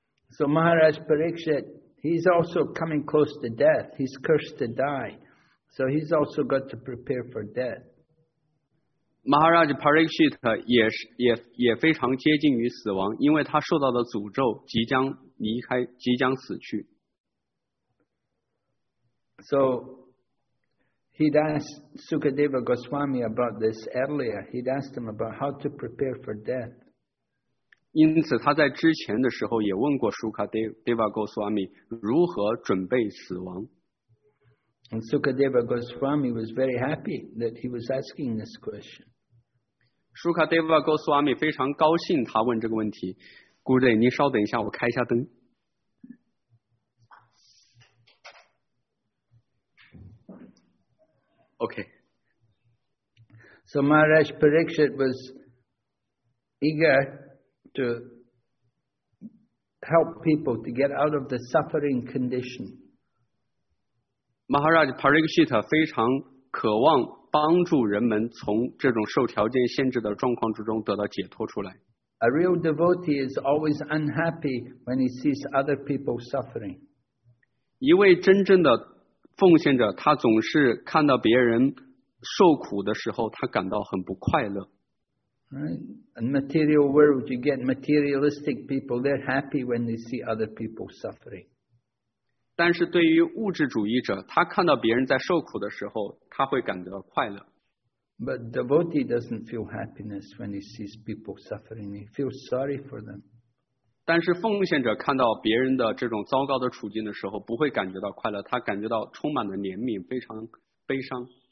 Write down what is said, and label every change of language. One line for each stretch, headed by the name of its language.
English: So Maharaj Parikshit, he's also coming close to death. He's cursed to die, so he's also got to prepare for death.
Chinese: Maharaj Parikshit 也非常接近于死亡，因为他受到的诅咒，即将离开，即将死去。
English: So he'd asked Sukadeva Goswami about this earlier. He'd asked him about how to prepare for death.
Chinese: 因此他在之前的时候也问过 Sukadeva Goswami 如何准备死亡。
English: And Sukadeva Goswami was very happy that he was asking this question.
Chinese: Sukadeva Goswami 非常高兴他问这个问题。Guru, 您稍等一下，我开一下灯。
English: Okay. So Maharaj Parikshit was eager to help people to get out of the suffering condition.
Chinese: Maharaj Parikshit 非常渴望帮助人们从这种受条件限制的状况之中得到解脱出来。
English: A real devotee is always unhappy when he sees other people suffering.
Chinese: 一位真正的奉献者，他总是看到别人受苦的时候，他感到很不快乐。
English: Right. In material world, you get materialistic people. They're happy when they see other people suffering.
Chinese: 但是对于物质主义者，他看到别人在受苦的时候，他会感到快乐。
English: But devotee doesn't feel happiness when he sees people suffering. He feels sorry for them.
Chinese: 但是奉献者看到别人的这种糟糕的处境的时候，不会感觉到快乐，他感觉到充满了怜悯，非常悲伤。